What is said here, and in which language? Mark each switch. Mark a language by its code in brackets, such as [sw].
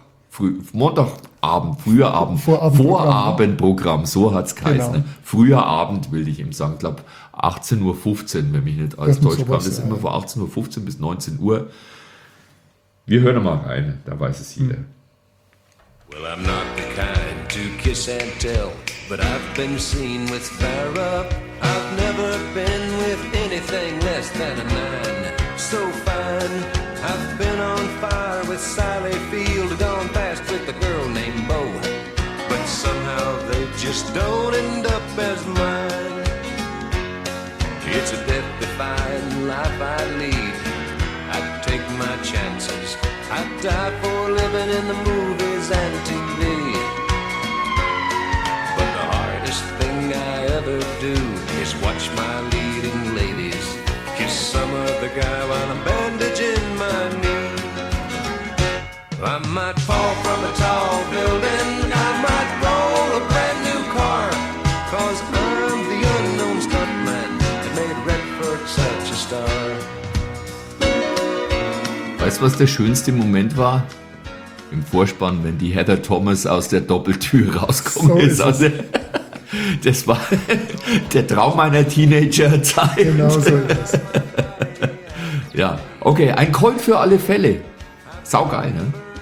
[de] Vorabendprogramm, so hat es geheißen. Genau. Früher Abend, will ich eben sagen, glaube 18.15 Uhr, wenn mich nicht alles täuscht. Das ist immer von 18.15 Uhr bis 19 Uhr. Wir hören mal rein, da weiß es jeder. [en] Well, I'm not the kind to kiss and tell, but I've been seen with Farrah. I've never been with anything less than a man so fine. I've been on fire with Sally Field, gone fast with a girl named Bo. But somehow they just don't end up as mine. It's a death-defying life I lead. My chances, I'd die for a living in the movies and TV. But the hardest thing I ever do is watch my leading ladies kiss some other guy while I'm bandaging my knee. I might fall from a tall building, I might roll a brand new car, 'cause I'm the unknown stuntman that made Redford such a star. [de] Weißt du, was der schönste Moment war? Im Vorspann, wenn die Heather Thomas aus der Doppeltür rauskommt. So ist also, das war der Traum meiner Teenagerzeit. Genau so ist es. Ja, okay, ein Colt für alle Fälle. Saugeil, ne?